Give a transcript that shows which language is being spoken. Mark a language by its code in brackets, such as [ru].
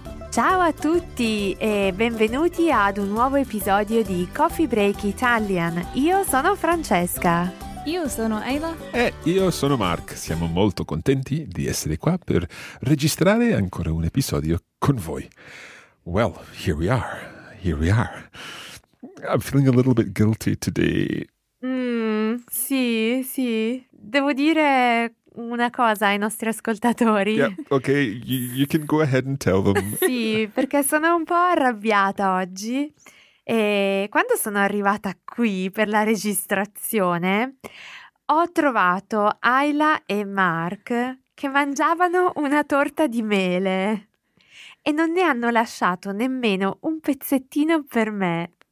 [it] Ciao a tutti e benvenuti ad un nuovo episodio di Coffee Break Italian. Io sono Francesca. Io sono Ayla. E io sono Mark. Siamo molto contenti di essere qua per registrare ancora un episodio con voi. [en] Well, here we are. Here we are. I'm feeling a little bit guilty today. [it] Sì. Devo dire una cosa ai nostri ascoltatori. [en] Yeah, okay, you can go ahead and tell them. [it] Sì, perché sono un po' arrabbiata oggi. E quando sono arrivata qui per la registrazione, ho trovato Ayla e Mark che mangiavano una torta di mele e non ne hanno lasciato nemmeno un pezzettino per me.